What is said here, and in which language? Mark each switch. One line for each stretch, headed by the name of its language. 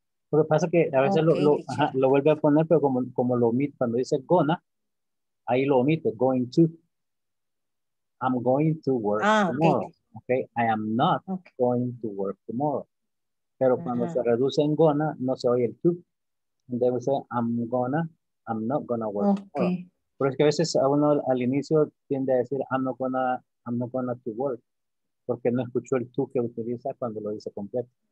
Spanish: Lo que pasa es que a veces lo vuelve a poner, pero como lo omite, cuando dice gonna, ahí lo omite, going to.
English: I'm going to work tomorrow. Okay. I am not going to work tomorrow.
Spanish: Pero cuando se reduce en gonna, no se oye el to. Debe ser
English: I'm not gonna work tomorrow.
Spanish: Pero es que a veces a uno al inicio tiende a decir
English: I'm not gonna to work.
Spanish: Porque no escuchó el to que utiliza cuando lo dice completo.